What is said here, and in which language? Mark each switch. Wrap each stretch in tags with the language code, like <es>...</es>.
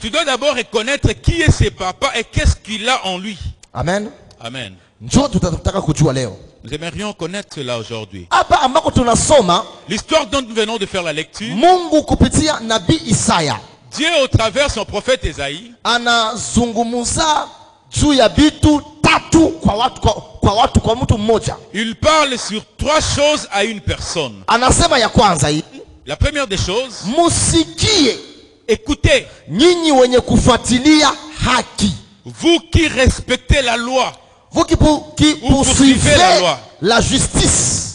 <fr>Tu dois d'abord reconnaître qui est ce papa et qu'est-ce qu'il a en lui. Amen. Amen.</fr> <sw>Njoo tutataka kujua leo.</sw> <fr>Nous aimerions connaître cela aujourd'hui.</fr> <sw>Aba ambako tunasoma,</sw> <fr>l'histoire dont nous venons de faire la lecture.</fr> <sw>Mungu kupitia Nabi Isaya.</sw> <fr>Dieu au travers son prophète Isaïe.</fr> <sw>Anazungumza juu ya vitu tatu kwa mtu mmoja.</sw> <fr>Il parle sur trois choses à une personne.</fr> <sw>Anasema ya kwanza hii.</sw> <fr>La première des choses.</fr> <sw>Musikie.</sw> <fr>Écoutez.</fr> <sw>Nyinyi wenye kufuatilia haki.</sw> <fr>Vous qui respectez la loi. Vous qui poursuivez la loi, la justice.</fr>